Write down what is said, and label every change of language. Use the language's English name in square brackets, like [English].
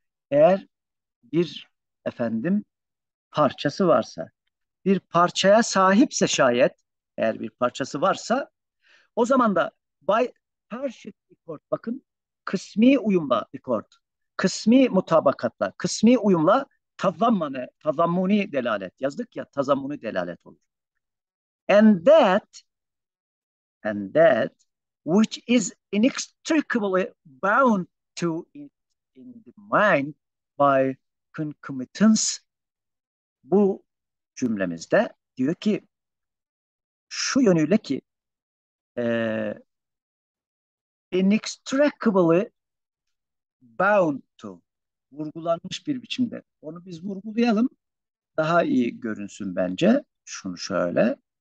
[Turkish] Eğer bir efendim parçası varsa, bir parçaya sahipse şayet, eğer bir parçası varsa, o zaman da [English] by partial accord, [Turkish] bakın kısmi uyumla accord, kısmi mutabakatla, kısmi uyumla tazammane, tazammuni delalet yazdık ya, tazammuni delalet olur. [English] And that which is inextricably bound to it in the mind by concomitance. [Turkish] Bu cümlemizde diyor ki şu yönüyle ki [English] inextricably bound to, [Turkish] vurgulanmış bir biçimde. Onu biz vurgulayalım. Daha iyi görünsün bence. Şunu şöyle.